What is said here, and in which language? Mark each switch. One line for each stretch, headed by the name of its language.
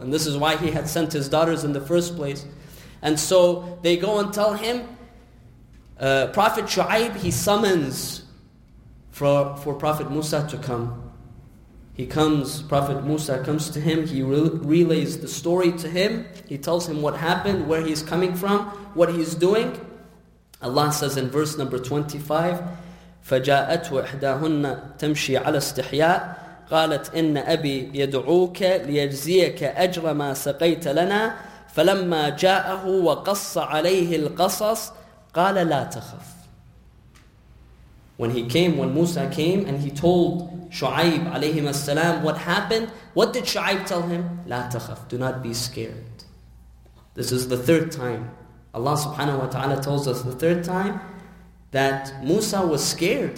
English: And this is why he had sent his daughters in the first place. And so they go and tell him. Prophet Shu'aib, he summons for Prophet Musa to come. He comes, Prophet Musa comes to him. He relays the story to him. He tells him what happened, where he's coming from, what he's doing.
Arabic: Allah says in verse number 25, فَجَاءَتْهُ إِحْدَاهُنَّ تَمْشِي عَلَى اسْتِحْيَاءِ قَالَتْ إِنَّ أَبِي يَدْعُوكَ لِيَجْزِيَكَ أَجْرَ مَا سَقَيْتَ لَنَا فَلَمَّا جَاءَهُ وَقَصَّ عَلَيْهِ الْقَصَصِ قَالَ لَا تَخَفْ.
English: When he came, when Musa came and he told Shu'aib alayhim as-salam what happened, what did Shu'aib tell him? لَا تَخَفْ, do not be scared. This is the third time. Allah subhanahu wa ta'ala tells us the third time that Musa was scared.